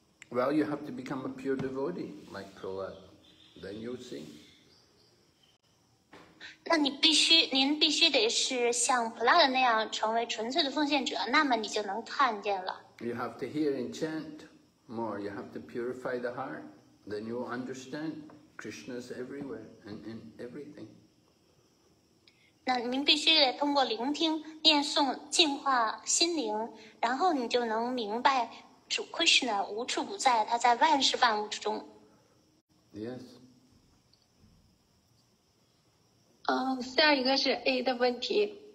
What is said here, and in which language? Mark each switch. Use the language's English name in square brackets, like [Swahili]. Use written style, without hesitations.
[English] Well, you have to become a pure devotee like Prahlad. Then you'll see. [Chinese] 那你必须，您必须得是像普拉德那样成为纯粹的奉献者，那么你就能看见了。 [English] You have to hear and chant more. You have to purify the heart. Then you will understand Krishna's everywhere and in everything. [Chinese] 那您必须得通过聆听、念诵、净化心灵，然后你就能明白主 Krishna 无处不在，他在万事万物之中。 [English] Yes. [Chinese] 下一个是 A 的问题。